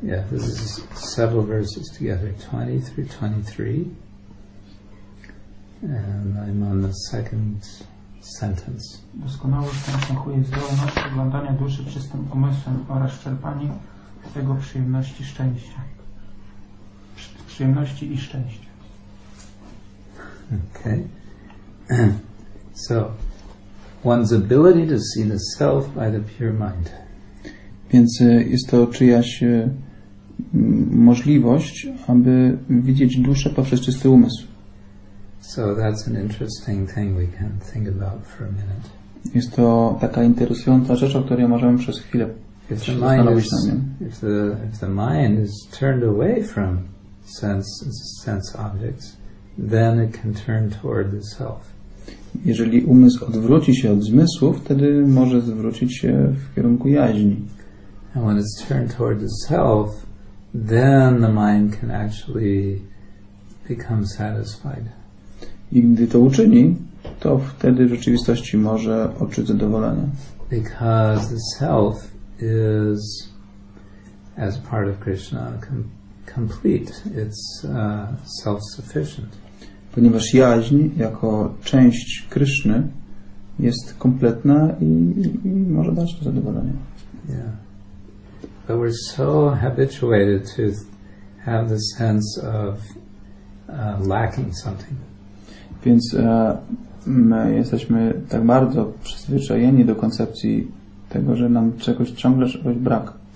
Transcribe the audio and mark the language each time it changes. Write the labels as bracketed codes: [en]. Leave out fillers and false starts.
[en] This is several verses together, 20 through 23, and I'm on the second sentence. [pl] Doskonałość następuje zdolność oglądania duszy czystym umysłem oraz czerpanie z tego przyjemności szczęścia. Przyjemności i szczęścia. [en] Okay. So, one's ability to see the self by the pure mind. [pl] Więc jest to czyjaś możliwość, aby widzieć duszę poprzez czysty umysł. [en] So that's an interesting thing we can think about for a minute. [pl] Jest to taka interesująca rzecz, o której możemy przez chwilę zastanowić się. [en] If the mind is turned away from sense objects, then it can turn toward the self. [pl] Jeżeli umysł odwróci się od zmysłów, wtedy może zwrócić się w kierunku jaźni. [en] And when it's turned toward the self, then the mind can actually become satisfied. [pl] I gdy to uczyni, to wtedy w rzeczywistości może odczuć zadowolenie. [en] Because the self is, as part of Krishna, complete. It's self-sufficient. [pl] Ponieważ jaźń jako część Kryszny jest kompletna i może dać to zadowolenie. [en] Yeah. But we're so habituated to have the sense of lacking something. [pl] Więc my jesteśmy tak bardzo przyzwyczajeni do koncepcji tego, że nam czegoś ciągle czegoś brak.